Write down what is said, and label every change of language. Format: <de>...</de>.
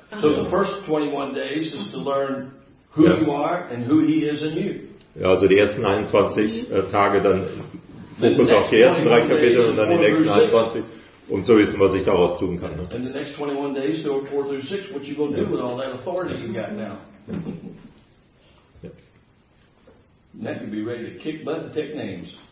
<en>So the first 21 days is to learn who yeah. you are and who he is in you.</en> <de>Ja, also die ersten 21 Tage, dann Fokus auf die ersten drei Kapitel und dann die nächsten 21, um zu wissen, was ich daraus tun kann. Ne?</de> <en>And the next 21 days, there are 4 through 6, what you going to do with all that authority you got now? Yeah. Now you'll be ready to kick butt and take names.</en>